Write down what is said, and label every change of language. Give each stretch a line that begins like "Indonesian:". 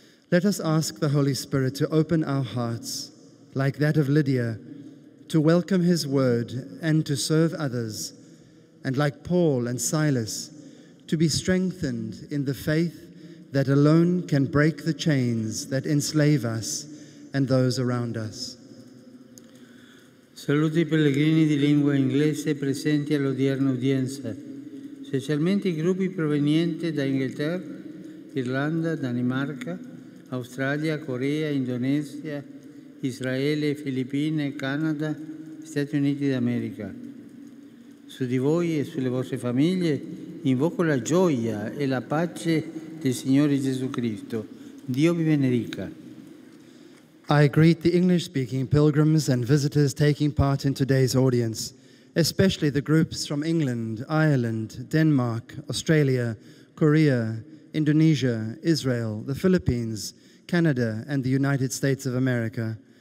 English: Let us ask the Holy Spirit to open our hearts, like that of Lydia, to welcome his word and to serve others, and like Paul and Silas, to be strengthened in the faith that alone can break the chains that enslave us and those around us.
Italian: Saluti i pellegrini di lingua inglese presenti all'odierna udienza, specialmente i gruppi provenienti da Inghilterra, Irlanda, Danimarca, Australia, Corea, Indonesia, Israele, Filippine, Canada, Stati Uniti d'America. Su di voi e sulle vostre famiglie invoco la gioia e la pace del Signore Gesù Cristo. Dio vi benedica.
English: I greet the English-speaking pilgrims and visitors taking part in today's audience, especially the groups from England, Ireland, Denmark, Australia, Korea, Indonesia, Israel, the Philippines, Canada, and the United States of America.